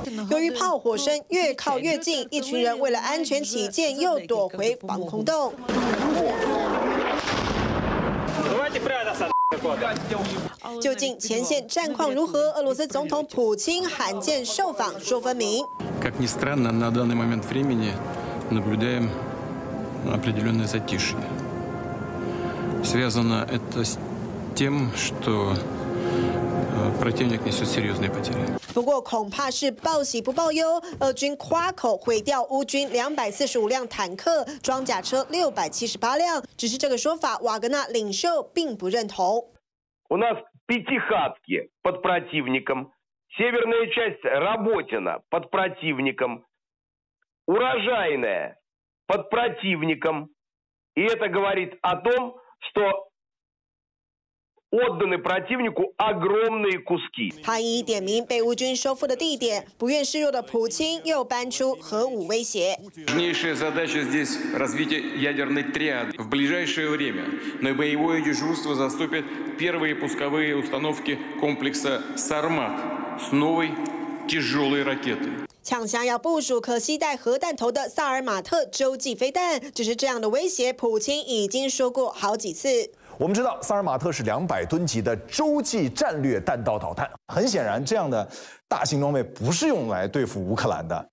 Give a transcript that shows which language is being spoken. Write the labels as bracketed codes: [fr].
[zh] 由于炮火声越靠越近，一群人为了安全起见又躲回防空洞。落。究竟前线战况如何？俄罗斯总统普京罕见受访，说分明。 [ru] Как ни странно, на данный момент времени наблюдаем определенное затишье. Связано это с тем, что противник несет серьезные потери. [zh] 不过恐怕是报喜不报忧。俄军夸口毁掉乌军245辆坦克、装甲车678辆，只是这个说法，瓦格纳领袖并不认同。 [ru] У нас пятихатки под противником, северная часть Работина под противником, урожайная под противником. И это говорит о том, что отданы противнику огромные куски. [zh] 他一一点名被乌军收复的地点，不愿示弱的普京又搬出核武威胁。 [ru] Важнейшая задача здесь развитие ядерной триады в ближайшее время. На боевое дежурство заступят первые пусковые установки комплекса Сармат с новой тяжелой ракетой. [zh] 抢先要部署可携带核弹头的萨尔马特洲际飞弹，只是这样的威胁，普京已经说过好几次。我们知道，萨尔马特是200吨级的洲际战略弹道导弹。很显然，这样的大型装备不是用来对付乌克兰的。